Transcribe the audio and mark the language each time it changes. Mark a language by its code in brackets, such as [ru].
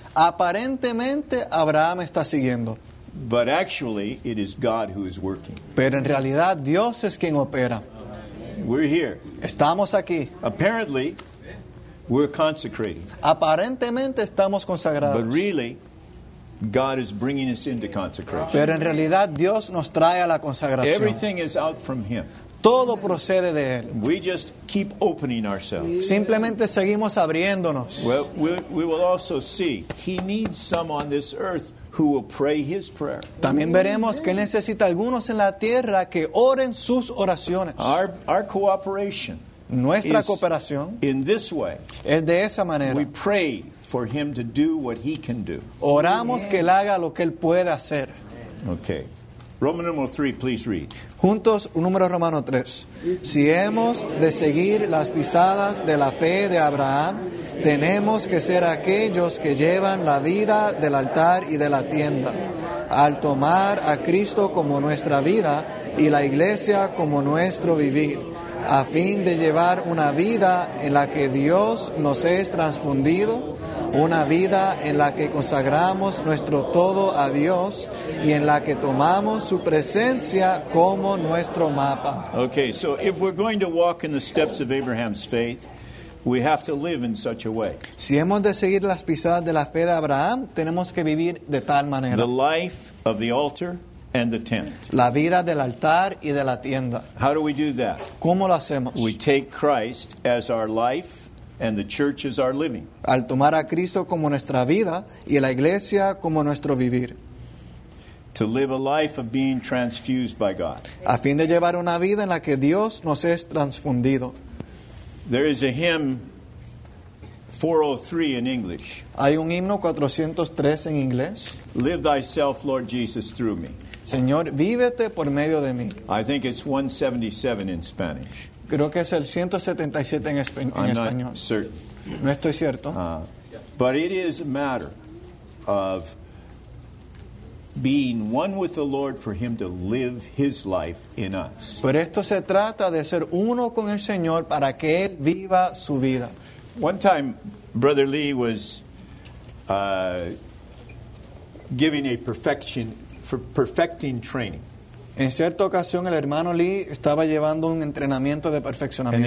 [es] Aparentemente Abraham está siguiendo. [en] But actually, it is God who is working. [es] Pero en realidad Dios es quien opera. [en] We're here. [es] Estamos aquí. [en] Apparently, we're consecrated. [es] Aparentemente estamos consagrados. [en] But really, God is bringing us into consecration. [es] Pero en realidad Dios nos trae a la consagración. [en] Everything is out from Him. [es] Todo procede de Él. [en] We just keep opening ourselves. [es] Simplemente seguimos abriéndonos. [en] Well, we will also see He needs some on this earth who will pray His prayer. [es] También veremos que necesita algunos en la tierra que oren sus oraciones. [en] Our cooperation. [es] Nuestra cooperación [en] in this way, [es] es de esa manera. [en] We pray for him to do what he can do. [es] Oramos que él haga lo que él puede hacer. [en] Okay. Roman numeral 3, please read. [es] Juntos, un número romano 3. Si hemos de seguir las pisadas de la fe de Abraham, tenemos que ser aquellos que llevan la vida del altar y de la tienda. Al tomar a Cristo como nuestra vida y la iglesia como nuestro vivir, a fin de llevar una vida en la que Dios nos es transfundido, una vida en la que consagramos nuestro todo a Dios y en la que tomamos su presencia como nuestro mapa. [en] Okay, so if we're going to walk in the steps of Abraham's faith, we have to live in such a way. [es] Si hemos de seguir las pisadas de la fe de Abraham, tenemos que vivir de tal manera. [en] The life of the altar and the tent. [es] La vida del altar y de la tienda. [en] How do we do that? [es] ¿Cómo lo hacemos? [en] We take Christ as our life and the church as our living. [es] Al tomar a Cristo como nuestra vida y la iglesia como nuestro vivir. [en] To live a life of being transfused by God. [es] A fin de llevar una vida en la que Dios nos es transfundido. [en] There is a hymn 403 in English. [es] Hay un himno 403 en inglés. [en] Live thyself, Lord Jesus, through me. [es] Señor, vívete por medio de mí. [en] I think it's 177 in Spanish. [es] Creo que es el 177 en español. [en] I'm not certain. [es] No estoy cierto. [en] But it is a matter of being one with the Lord for Him to live His life in us. [es] Pero esto se trata de ser uno con el Señor para que Él viva su vida. [en] One time, Brother Lee was giving a perfecting training. [es] En cierta ocasión, el hermano Lee estaba llevando un entrenamiento de perfeccionamiento.